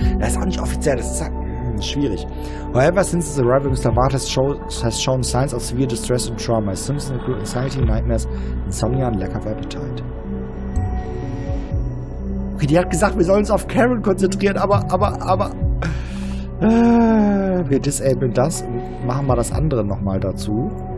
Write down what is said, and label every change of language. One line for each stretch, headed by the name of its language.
German: Das ist auch nicht offiziell, das ist schwierig.
English: However, since his arrival, Mr. Vhart has shown signs of severe distress and trauma. Symptoms include anxiety, nightmares, insomnia and lack of appetite.
German: Okay, die hat gesagt, wir sollen uns auf Karen konzentrieren, aber... wir disablen das und machen mal das andere nochmal dazu.